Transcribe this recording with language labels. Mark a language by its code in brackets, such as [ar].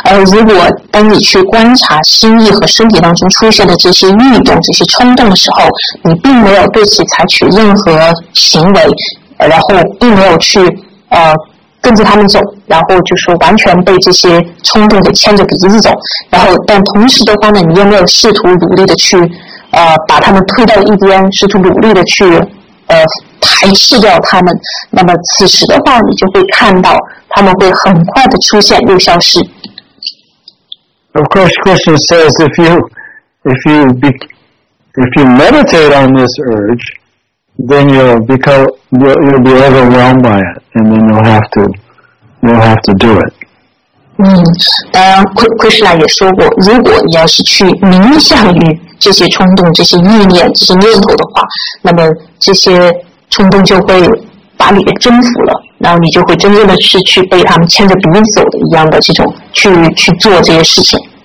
[zh] 如果当你去观察心意和身体当中出现的这些欲动、这些冲动的时候，你并没有对其采取任何行为，然后并没有去跟着他们走，然后就是完全被这些冲动给牵着鼻子走，然后但同时的话呢，你又没有试图努力的去把他们推到一边，试图努力的去排斥掉他们，那么此时的话你就会看到他们会很快的出现又消失。 [en] Of course, Krishna says if you meditate on this urge, then you'll be overwhelmed by it, and then you'll have to do it. [zh] 当然 ，Krishna 也说过，如果你要是去冥想于这些冲动、这些意念、这些念头的话，那么这些冲动就会把你给征服了。然后你就会真正的是去被他们牵着鼻子走的一样的这种去做这些事情。